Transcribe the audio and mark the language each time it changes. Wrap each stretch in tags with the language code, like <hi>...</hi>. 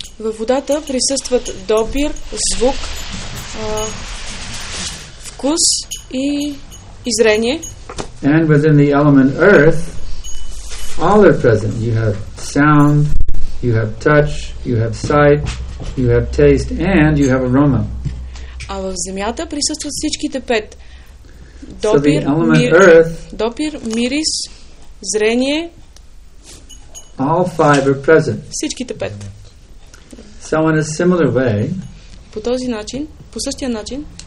<bg>Във водата присъстват допир, звук, вкус и зрение.</bg> <en>And within the element earth, all are present. You have sound, you have touch, you have sight, you have taste, and you have aroma.</en> <bg>А в земята присъстват всичките пет. Допир, earth, допир, мирис, зрение.</bg> <en>All five are present.</en> <bg>Всичките пет.</bg> <en>So in a similar way,</en> <bg>по този начин, по същия начин,</bg>